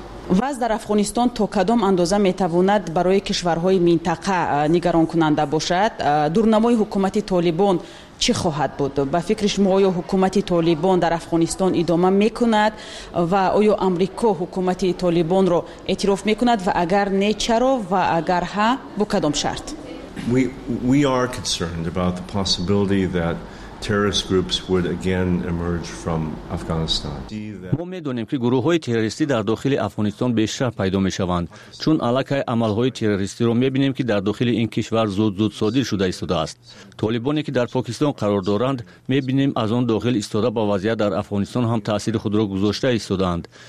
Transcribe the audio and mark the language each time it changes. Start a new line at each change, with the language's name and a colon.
Persian: وضع در افغانستان تا کدام اندازه میتواند برای کشورهای منطقه نگران کننده باشد؟ دورنمای حکومت طالبان چی خواهد بود؟ به فکر شما آیا حکومت طالبان در افغانستان ادامه میکند و آیا امریکا حکومت طالبان را اعتراف میکند و اگر نه چرا و اگر ها با کدام شرط؟
English: We are concerned about the possibility that terrorist groups would again emerge from Afghanistan.
Tajik: Мо медонем ки гурӯҳҳои террористӣ дар дохили Афғонистон бештар пайдо мешаванд, чун алакай амалҳои террористиро мебинем ки дар дохили ин кишвар зуд-зуд содир шуда истодааст. Толибоне ки дар Покистон қарор доранд, мебинем аз он дохил истода ба вазъият дар Афғонистон ҳам таъсири худро гузошта истодаанд.